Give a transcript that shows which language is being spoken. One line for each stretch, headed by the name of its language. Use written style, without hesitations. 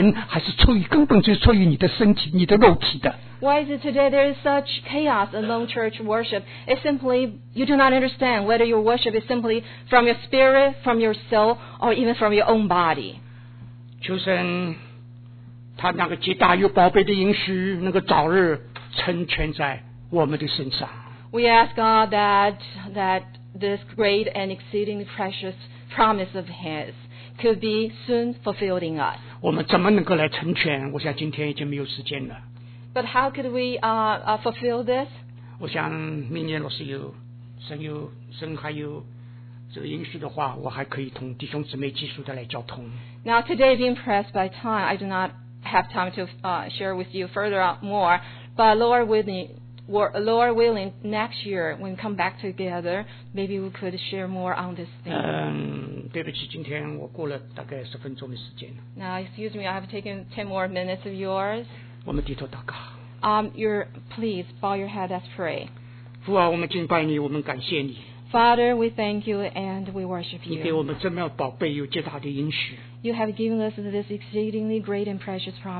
Chinese: 今天教会最大的难处，为什么对着敬拜那样的混乱，就是不懂什么叫敬拜是出于你的灵，出于你的魂，还是出于根本就是出于你的身体、你的肉体的。
English: Why is it today there is such chaos among church worship? It's simply you do not understand whether your worship is simply from your spirit, from your soul, or even from your own body.
Chinese: 求神。他那个极大又宝贝的应许能够早日成全在我们的身上。
English: We ask God that this great and exceedingly precious promise of His could be soon fulfilled in us.
Chinese: 我们怎么能够来成全？我想今天已经没有时间了。
English: But how could we fulfill this?
Chinese: 我想明年若是有神还有这个应许的话，我还可以同弟兄姊妹继续的来交通。
English: Now today, being pressed by time, I do not have time to share with you further more. But Lord willing. Lord willing, next year when we come back together, maybe we could share more on this thing.
Chinese: 对不起，今天我过了大概十分钟的时间。
English: Now, excuse me, I have taken 10 more minutes of yours.
Chinese: 我们低头祷告。
English: Please bow your head as pray.
Chinese: 父啊，我们敬拜你，我们感谢你。
English: Father, we thank you and we worship you.
Chinese: 你给我们这么宝贝又极大的应许。
English: You have given us this exceedingly great and precious promise.